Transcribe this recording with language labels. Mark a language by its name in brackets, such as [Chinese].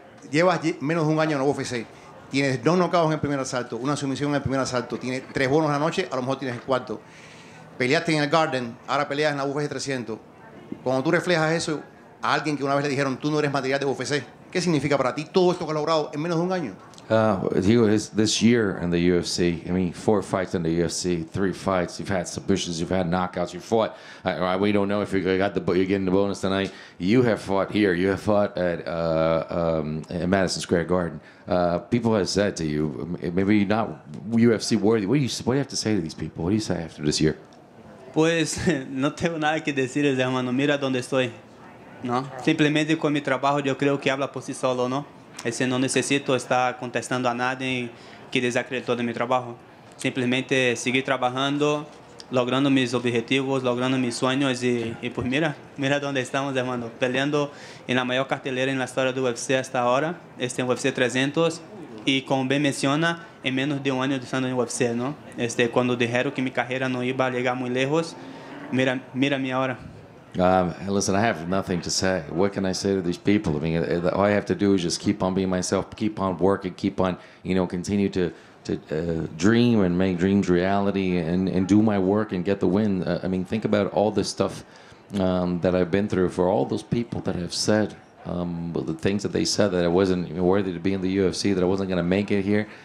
[Spanish] Llevas menos de un año en la UFC. Tienes dos knockouts en el primer asalto, una sumisión en el primer asalto. Tienes tres bonos en la noche, a lo mejor tienes el cuarto. Peleaste en el Garden, ahora peleas en la UFC 300. Cuando tú reflejas eso a alguien que una vez le dijeron, tú no eres material de UFC, ¿qué significa para ti todo esto que has logrado en menos de un año? [English] Diego, this year in the UFC, I mean, four fights in the UFC, three fights, you've had submissions, you've had knockouts, you fought. We don't know if you're getting the bonus tonight. You have fought here. You have fought at Madison Square Garden. People have said to you, maybe not UFC worthy. What do you have to say to these people? What do you say after this year? [Spanish] Pues, no tengo nada que decirles, hermano. Mira dónde estoy, ¿no? Simplemente con mi trabajo, yo creo que habla por sí solo, ¿no? Ese no necesito estar contestando a nadie que desacredite todo mi trabajo. Simplemente seguir trabajando, logrando mis objetivos, logrando mis sueños y pues mira dónde estamos, hermano. Peleando en la mayor cartelera en la historia del UFC hasta ahora, en UFC 300. Y como bien menciona, en menos de un año de estando en UFC, ¿no? Cuando dijeron que mi carrera no iba a llegar muy lejos, mira mi hora. [English] Listen, I have nothing to say. What can I say to these people? I mean, all I have to do is just keep on being myself, keep on working, keep on, you know, continue to dream and make dreams reality and do my work and get the win. I mean, think about all this stuff that I've been through for all those people that have said the things that they said, that I wasn't worthy to be in the UFC, that I wasn't going to make it here.